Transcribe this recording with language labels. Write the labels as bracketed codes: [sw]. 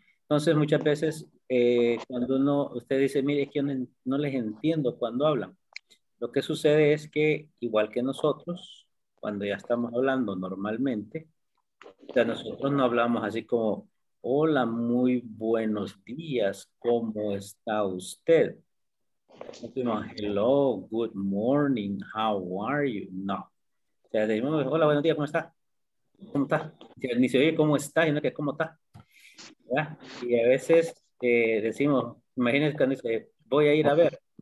[es] Entonces, muchas veces, cuando uno, usted dice, mire, es que no les entiendo cuando hablan. Lo que sucede es que, igual que nosotros, cuando ya estamos hablando normalmente, ya nosotros no hablamos así como, hola, muy buenos días, ¿cómo está usted? No decimos, [en] hello, good morning, how are you? [es] No. O sea, decimos, hola, buenos días, ¿cómo está? O sea, ni se oye cómo está, sino que cómo está. ¿Verdad? Y a veces decimos, imagínense cuando dice, voy a ir a ver.